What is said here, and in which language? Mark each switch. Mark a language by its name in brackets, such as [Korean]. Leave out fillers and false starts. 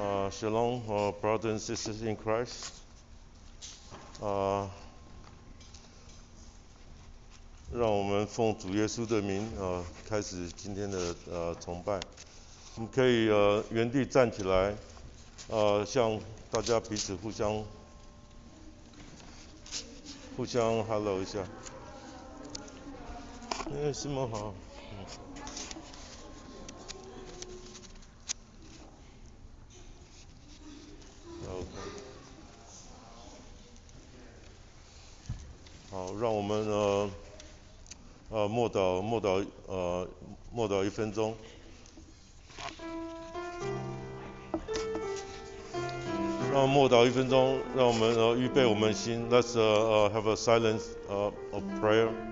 [English] Shalom, brothers and sisters in Christ. [Chinese] 让我们奉主耶稣的名，开始今天的崇拜。我们可以原地站起来，向大家彼此互相 hello 一下。师母好。好，让我们默祷一分钟。让默祷一分钟，让我们预备我们心。 [English] Let's have a silence of prayer.